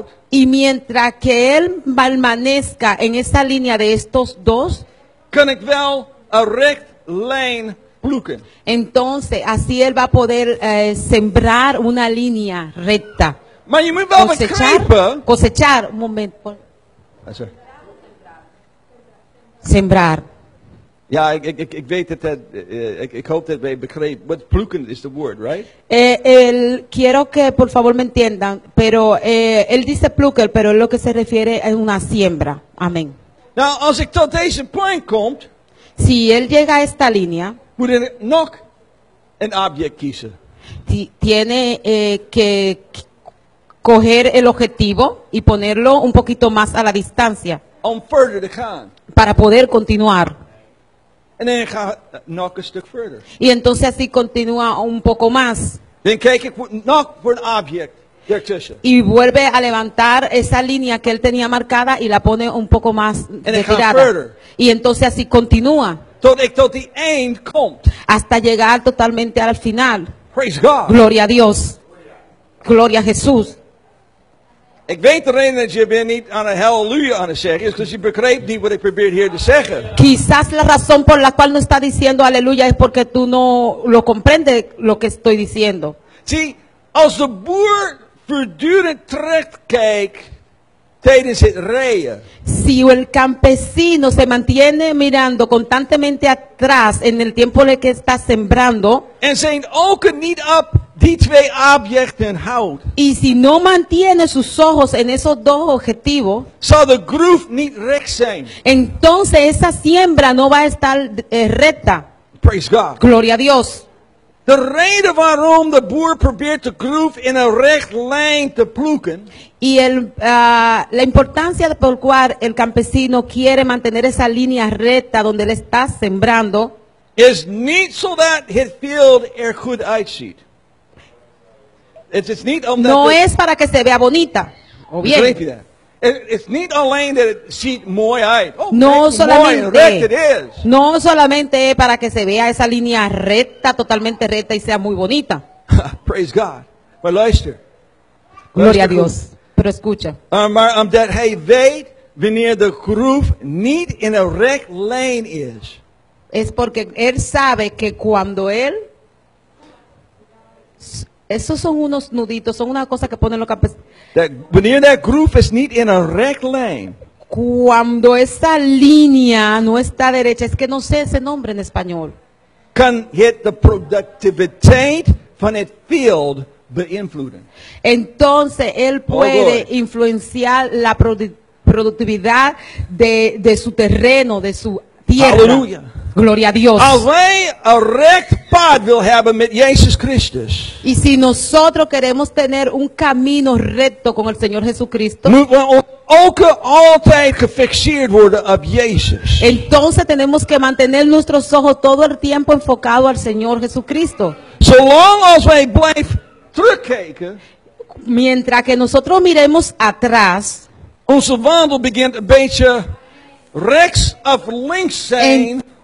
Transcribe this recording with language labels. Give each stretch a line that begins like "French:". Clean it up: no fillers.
Spanish: Y mientras que él permanezca en esa línea de estos dos,
Dutch: kan ik wel een recht lijn ploegen.
Spanish: Entonces así él va a poder sembrar una línea recta.
Dutch: Maar je moet wel begrijpen.
Spanish: Cosechar, un momento. Ah, sembrar.
Dutch: Ja, ik weet het. Ik hoop dat we begrepen.
English: But ploegen is the word, right?
Spanish: Quiero que por favor me entiendan, pero él dice ploegen, pero es lo que se refiere a una siembra. Amén.
Dutch: Now, als ik tot deze point kom,
Spanish: si él llega a esta línea,
Dutch: moet ik nog een object kiezen.
Spanish: Tiene que coger el objetivo y ponerlo un poquito más a la distancia.
Dutch: Om verder te gaan.
Spanish: Para poder continuar.
Dutch: En dan ga ik nog een stuk verder.
Spanish: Y entonces así continúa un poco más.
Dutch: Dan kijk ik nog voor een object ertussen.
Spanish: Y vuelve a levantar esa línea que él tenía marcada y la pone un poco más retirada. Y entonces así continúa.
Dutch: Tot ik tot die eind kom.
Spanish: Hasta llegar totalmente al final.
English: Praise God.
Spanish: Gloria a Dios. Gloria a Jesús.
Dutch: Ik weet de reden dat je ben niet aan een halleluja aan het zeggen is, because je begreep niet wat ik probeer hier te zeggen.
Spanish: Quizás la razón por la cual no está diciendo aleluya es porque tú no lo comprendes lo que estoy diciendo.
Dutch: See, als de boer voortdurend terugkijkt tijdens het rijden.
Spanish: Si el campesino se mantiene mirando constantemente atrás en el tiempo en el que está sembrando.
Dutch: En zijn ogen niet op die twee objecten houdt.
Spanish: Y si no mantiene sus ojos en esos dos objetivos.
Dutch: Zal de groef niet recht zijn.
Spanish: Entonces esa siembra no va a estar recta.
English: Praise God.
Spanish: Gloria a Dios.
Dutch: De reden waarom de boer probeert de groef in een recht lijn te ploegen.
Spanish: Y el, la importancia por la cual el campesino quiere mantener esa línea recta donde le está sembrando.
Dutch: Is niet zodat het veld er goed uitziet. Niet omdat
Spanish: no es para que se vea bonita. O bien.
English: It's not only that it
Dutch: ziet mooi uit.
English: Oh,
Spanish: no
English: solamente, it is.
Spanish: No solamente para que se vea esa línea recta, totalmente recta y sea muy bonita.
English: Praise God. But luister.
Spanish: Gloria a Dios. Pero escucha.
Dutch: Maar omdat hij weet wanneer de groef niet in een recht lijn is.
Spanish: Es porque él sabe que cuando él... Esos son unos nuditos, son una cosa que ponen los campesinos.
English: Wanneer that groove is niet in a recht line.
Spanish: Cuando esa línea no está derecha, es que no sé ese nombre en español.
Dutch: Kan het de productiviteit van het veld beïnvloeden.
Spanish: Entonces él puede influenciar la productividad de su terreno, de su tierra. Aleluya. Gloria a Dios.
Dutch: Alleen een recht pad wil hebben met Jezus Christus.
Spanish: Y si nosotros queremos tener un camino recto con el Señor Jesucristo.
Dutch: Moeten we ook altijd gefixeerd worden op Jezus.
Spanish: Entonces tenemos que mantener nuestros ojos todo el tiempo enfocado al Señor Jesucristo.
Dutch: Zolang als wij blijven terugkijken.
Spanish: Mientras que nosotros miremos atrás.
Dutch: Onze wandel begint een beetje rechts of links zijn.